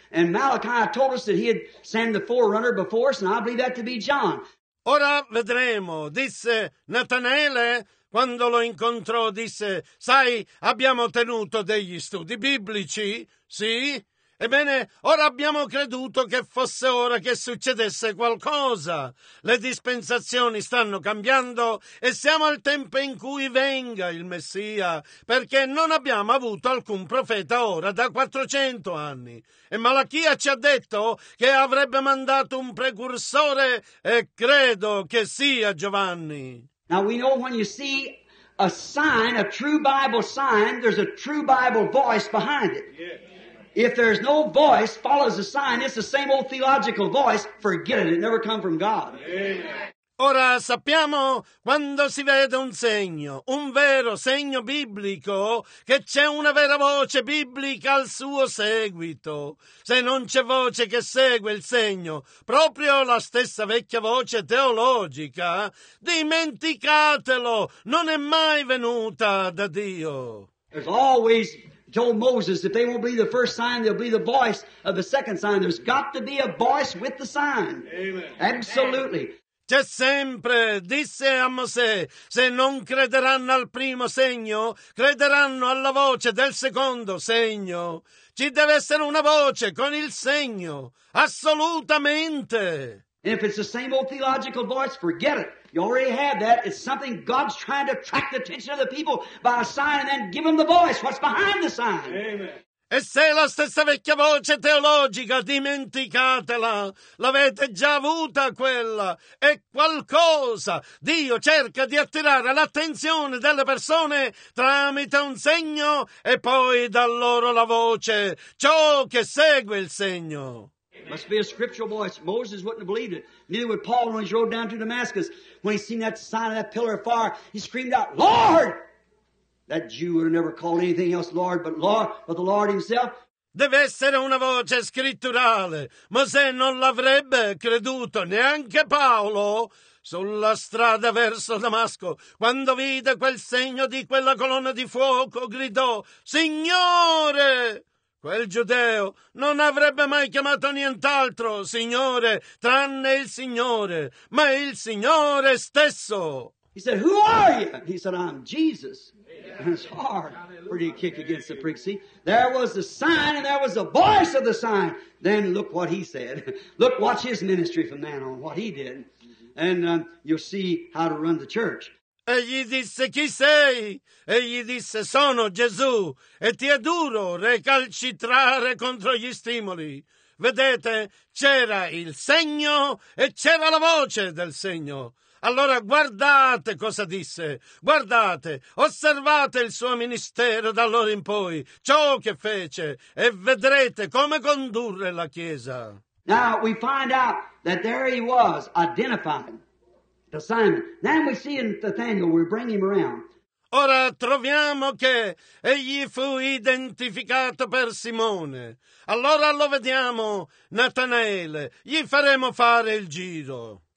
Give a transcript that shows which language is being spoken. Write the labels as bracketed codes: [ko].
[en] And Malachi told us that he had sent the forerunner before us, and I believe that to be John. [it] Ora vedremo, disse Natanaele, quando lo incontrò, disse, sai, abbiamo tenuto degli studi biblici, sì? Ebbene, ora abbiamo creduto che fosse ora che succedesse qualcosa. Le dispensazioni stanno cambiando e siamo al tempo in cui venga il Messia, perché non abbiamo avuto alcun profeta ora da 400 anni. E Malachia ci ha detto che avrebbe mandato un precursore e credo che sia Giovanni. [en] Now we know when you see a sign, a true Bible sign, there's a true Bible voice behind it. Yeah. If there's no voice follows the sign, it's the same old theological voice. Forget it. It never come from God. Amen. [it] Ora sappiamo quando si vede un segno, un vero segno biblico, che c'è una vera voce biblica al suo seguito. Se non c'è voce che segue il segno, proprio la stessa vecchia voce teologica, dimenticatelo, non è mai venuta da Dio. [en] There's always told Moses, if they won't believe the first sign, they'll be the voice of the second sign. There's got to be a voice with the sign. Amen. Absolutely. [it] C'è sempre, disse a Mosè, se non crederanno al primo segno, crederanno alla voce del secondo segno. Ci deve essere una voce con il segno. Assolutamente. [en] And if it's the same old theological voice, forget it. You already have that. It's something God's trying to attract the attention of the people by a sign and then give them the voice. What's behind the sign? Amen. [it] E se la stessa vecchia voce teologica, dimenticatela. L'avete già avuta quella. È qualcosa. Dio cerca di attirare l'attenzione delle persone tramite un segno e poi dà loro la voce. Ciò che segue il segno. [en] Must be a scriptural voice. Moses wouldn't have believed it. Neither would Paul when he rode down to Damascus. When he seen that sign of that pillar of fire, he screamed out, Lord! That Jew would have never called anything else Lord, but Lord, but the Lord himself. [it] Deve essere una voce scritturale. Mosè non l'avrebbe creduto, neanche Paolo. Sulla strada verso Damasco, quando vide quel segno di quella colonna di fuoco, gridò, Signore! Quel giudeo non avrebbe mai chiamato nient'altro, Signore, tranne il Signore, ma il Signore stesso. [en] He said, who are you? He said, I'm Jesus. Yeah. It's hard for you to kick against the prick. See, there was the sign and there was the voice of the sign. Then look what he said. Look, watch his ministry from then on, what he did. And you'll see how to run the church. [it] Egli disse, chi sei? Egli disse, sono Gesù, e ti è duro recalcitrare contro gli stimoli. Vedete, c'era il segno e c'era la voce del segno. Allora guardate cosa disse, guardate, osservate il suo ministero da allora in poi, ciò che fece, e vedrete come condurre la Chiesa. [en] Now we find out that there he was, identified to Simon. Then we see in Nathanael, we bring him around. [it] Ora troviamo che egli fu identificato per Simone. Allora lo vediamo, Natanaele, gli faremo fare il giro.